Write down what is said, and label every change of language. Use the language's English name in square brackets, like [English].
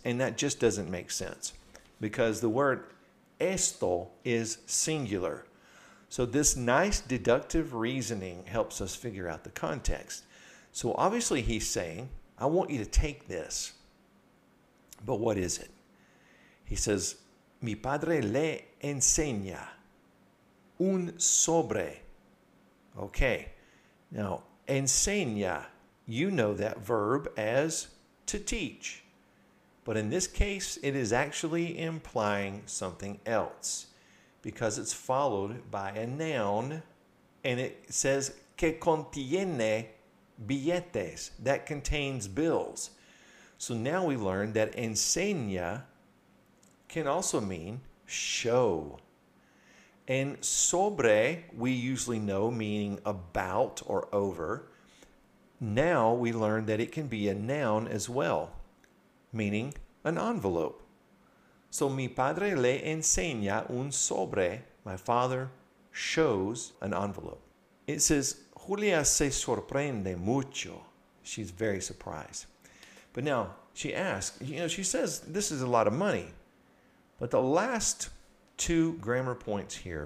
[English] And that just doesn't make sense, because the word esto is singular. So this nice deductive reasoning helps us figure out the context. So obviously he's saying, I want you to take this. But what is it? He says, [Spanish] mi padre le enseña un sobre. [English] Okay. Now, enseña, you know that verb as to teach. But in this case, it is actually implying something else, because it's followed by a noun, and it says, [Spanish] que contiene billetes, [English] that contains bills. So now we learn that enseña can also mean show. And sobre, we usually know meaning about or over. Now we learn that it can be a noun as well, meaning an envelope. [Spanish] So mi padre le enseña un sobre. [English] My father shows an envelope. It says, Julia se sorprende mucho. She's very surprised. But now she asks, you know, she says, this is a lot of money. But the last two grammar points here.